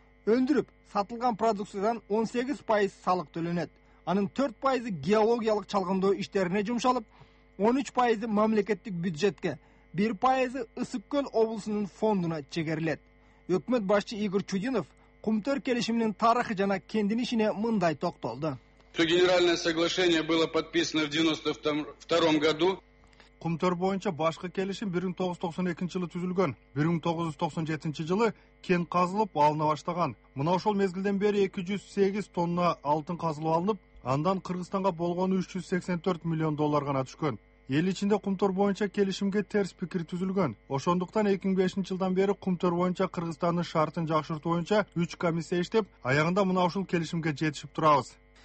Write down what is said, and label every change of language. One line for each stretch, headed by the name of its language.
Kyrgyz: Өндүрүп сатылган продукциядан 18% салык төлөнөт. Анын 4% геологиялык чалгындоо иштерине жумшалып, 13% мамлекеттик бюджетке, 1% Ысык Көл облусунун фондуна чегерилет. Өкмөт башчы Игорь Чудинов Кумтор келишиминин тарыхы жана кендин ишине мындай токтолду.
Russian: Генеральное соглашение было подписано в 92 году.
Kyrgyz: Кумтор боюнча башкы келишим 1992 жылы түзүлгөн. 1997 жылы кен казылып алына баштаган. Мына ошол мезгилден бери 208 тонна алтын казылып алынып, андан Кыргызстанга болгону 384 миллион доллар гана түшкөн. Эл ичинде Кумтор боюнча келишимге терс пикир түзүлгөн. Ошондуктан 2005 жылдан бери Кумтор боюнча Кыргызстандын шартын жакшыртуу боюнча 3 комиссия иштеп, аягында мына ушул келишимге жетишип турабыз,